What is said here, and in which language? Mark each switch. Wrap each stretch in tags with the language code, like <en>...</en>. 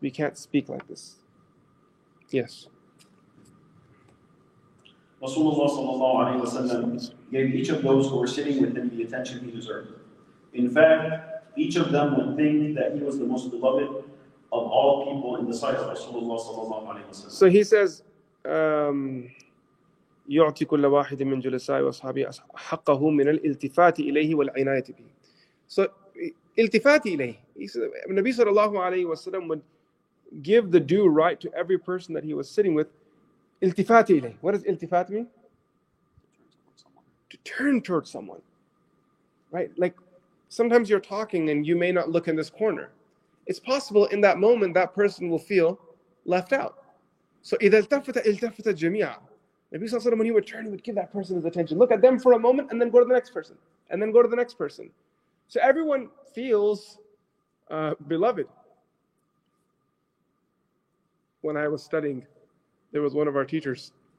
<en>We can't speak like this. Yes. Rasulullah sallallahu alayhi wa sallam gave each of those who were sitting with him the attention he deserved. In fact, each of them would think that he was the most beloved of all people in the sight of Rasulullah sallallahu alayhi wa sallam. So he says,</en> <ar>يعطي كل واحد من جلسائه وأصحابه حقه من الالتفات إليه والعناية به. So التفات إليه.</ar> <en>Nabi sallallahu alayhi wa sallam would give the due right to every person that he was sitting with.</en> <ar>التفات إليه.</ar> <en>What does التفات mean? To turn towards someone. Right? Like sometimes you're talking and you may not look in this corner. It's possible in that moment that person will feel left out.</en> <ar>So إذا التفت التفت جميعا.</ar> <en>Nabi sallallahu alayhi wa sallam, when he would turn, he would give that person his attention. Look at them for a moment and then go to the next person. And then go to the next person. So everyone feels beloved. when I was studying, there was one of our teachers.</en>